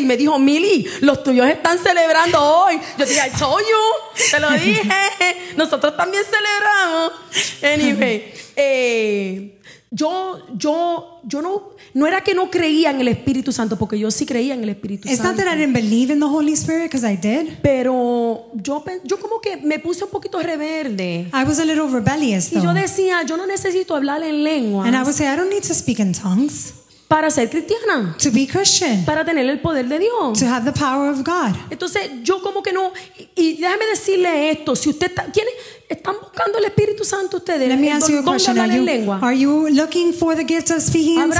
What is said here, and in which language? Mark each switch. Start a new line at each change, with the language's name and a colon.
Spanish: y me dijo, Mili, los tuyos están celebrando hoy. Yo dije,
English: I told you,
Spanish: te lo dije, nosotros también celebramos. Anyway, yo no era que no creía en el Espíritu Santo, porque yo sí creía en el Espíritu Santo.
English: It's not that I didn't believe in the Holy Spirit, because I did.
Spanish: Pero yo como que me puse un poquito rebelde.
English: I was a little rebellious, though.
Spanish: Y yo decía, yo no necesito hablar en lenguas.
English: And I would say, I don't need to speak in tongues.
Spanish: Para ser cristiana.
English: To be Christian.
Spanish: Para tener el poder de Dios.
English: To have the power of God.
Spanish: Entonces yo como que no. Y déjame decirle esto. Si usted está, ¿quién es? ¿Están buscando el Espíritu Santo ustedes?
English: Let me ask you a question. Are you looking for the gift of speaking in tongues?